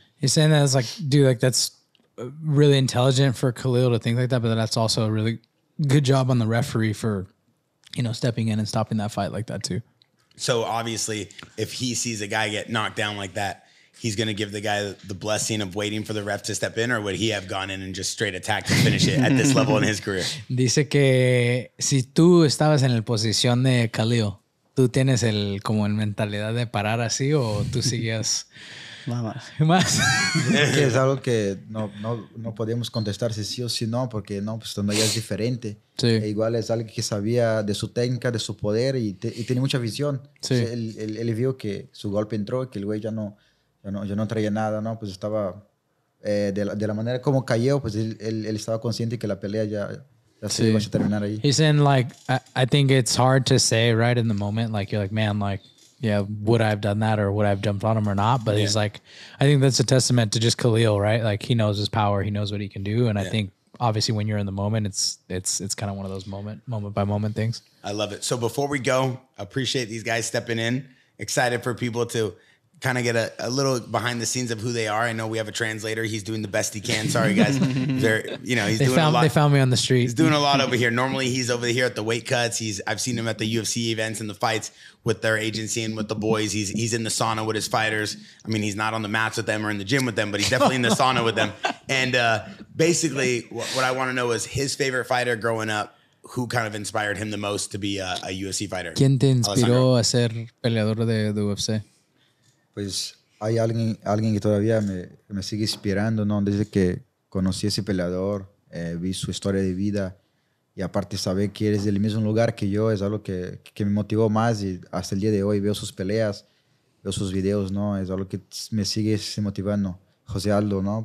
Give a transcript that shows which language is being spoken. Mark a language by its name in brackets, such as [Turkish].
[English] He's saying that it's like, dude, like that's really intelligent for Khalil to think like that, but that's also a really good job on the referee for, you know, stepping in and stopping that fight like that too. So obviously, if he sees a guy get knocked down like that, he's going to give the guy the blessing of waiting for the ref to step in, or would he have gone in and just straight attacked to finish it at this level in his career? [Spanish] Dice que si tú estabas en la posición de Khalil, ¿tú tienes el como el mentalidad de parar así o tú seguías? Más. Que es algo que no podemos contestar si sí o si no, porque no, pues no, ya es diferente. Sí. E igual es alguien que sabía de su técnica, de su poder y tiene mucha visión. Sí. O sea, él vio que su golpe entró, que el güey ya no traía nada, ¿no? Pues estaba de la manera como cayó, pues él estaba consciente que la pelea ya se iba a terminar ahí. [English] He's saying, like, I think it's hard to say right in the moment. Like, you're like, man, like, yeah, would I have done that or would I have jumped on him or not? But he's like, I think that's a testament to just Khalil, right? Like, he knows his power. He knows what he can do. And I think, obviously, when you're in the moment, it's kind of one of those moment-by-moment things. I love it. So before we go, I appreciate these guys stepping in. Excited for people to kind of get a little behind the scenes of who they are. I know we have a translator. He's doing the best he can. Sorry, guys. They found me on the street. He's doing a lot over here. Normally, he's over here at the weight cuts. I've seen him at the UFC events and the fights with their agency and with the boys. He's in the sauna with his fighters. I mean, he's not on the mats with them or in the gym with them, but he's definitely in the sauna with them. And basically, what I want to know is his favorite fighter growing up, who kind of inspired him the most to be a UFC fighter? [Spanish] ¿Quién te inspiró a ser peleador de UFC? Pues hay alguien que todavía me sigue inspirando, ¿no? Desde que conocí a ese peleador, vi su historia de vida y aparte saber que eres del mismo lugar que yo es algo que me motivó más y hasta el día de hoy veo sus peleas, veo sus videos, ¿no? Es algo que me sigue motivando. José Aldo, ¿no?